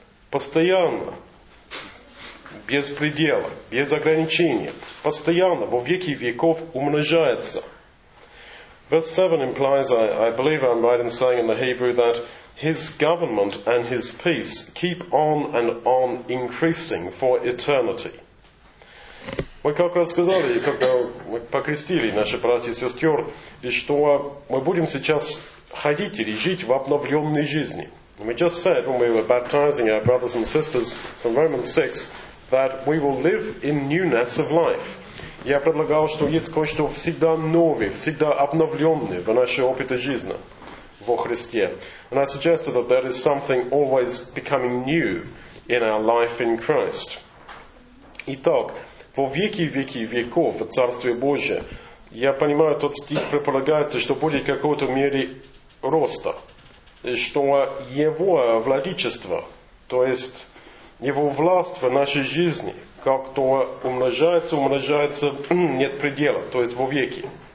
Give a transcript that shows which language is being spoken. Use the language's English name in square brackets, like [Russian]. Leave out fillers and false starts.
[Russian] Постоянно, без предела, без ограничения, постоянно, во веки веков умножается. [English] Verse 7 implies, I believe I'm right in saying in the Hebrew, that his government and his peace keep on and on increasing for eternity. [Russian] Мы как раз сказали, когда мы покрестили наши братья и сестры, что мы будем сейчас ходить или жить в обновленной жизни. [English] We just said when we were baptizing our brothers and sisters from Romans 6 that we will live in newness of life. [Russian] Я предлагал, что есть кое-что всегда новое, всегда обновленное в нашей опыте жизни во Христе. [English] And I suggested that there is something always becoming new in our life in Christ. [Russian] Итак, во веки веки веков в Царстве Божьем, я понимаю, тот стих предполагается, что будет в какой-то мере роста, и что его владычество, то есть его власть в нашей жизни, как-то умножается, умножается, нет предела, то есть во веки.